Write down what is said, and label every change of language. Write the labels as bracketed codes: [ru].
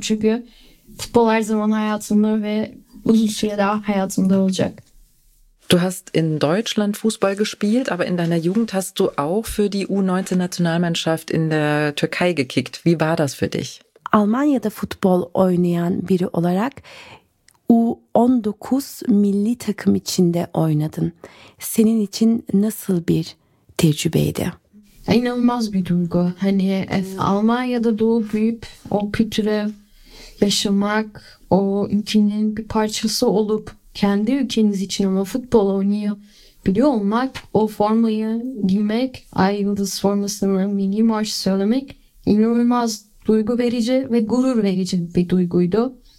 [tr] Çünkü futbol her zaman hayatımda ve uzun süre daha hayatımda olacak. [de] Du hast in Deutschland Fußball gespielt, aber in deiner Jugend hast du auch für die U19-Nationalmannschaft in der Türkei gekickt. Wie war das für dich? [tr] Almanya'da futbol oynayan biri olarak U19 milli takım içinde oynadın. Senin için nasıl bir tecrübeydi? İnanılmaz bir duygu. Hani Almanya'da doğup büyüyüp o kültüre yaşamak, o ülkenin bir parçası olup kendi ülkeniz için ama futbol oynayabiliyor olmak, o formayı giymek, Ay Yıldız formasını, milli marş söylemek inanılmaz duygu verici ve gurur verici bir duyguydu.